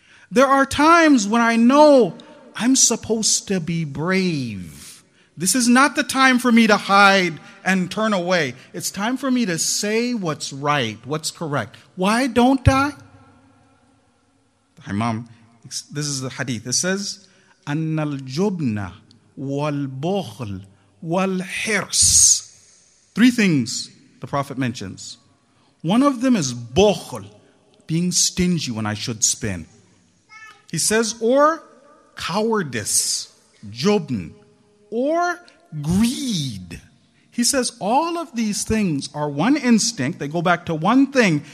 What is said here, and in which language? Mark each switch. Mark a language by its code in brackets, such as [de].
[en] There are times when I know I'm supposed to be brave. This is not the time for me to hide and turn away. It's time for me to say what's right, what's correct. Why don't I? The imam, this is the hadith. It says, [ar] أَنَّ الْجُبْنَ وَالْبُخْلِ وَالْحِرْسِ. [en] Three things the Prophet mentions. One of them is bukhl, being stingy when I should spend. He says, or cowardice, jubn, or greed. He says all of these things are one instinct. They go back to one thing.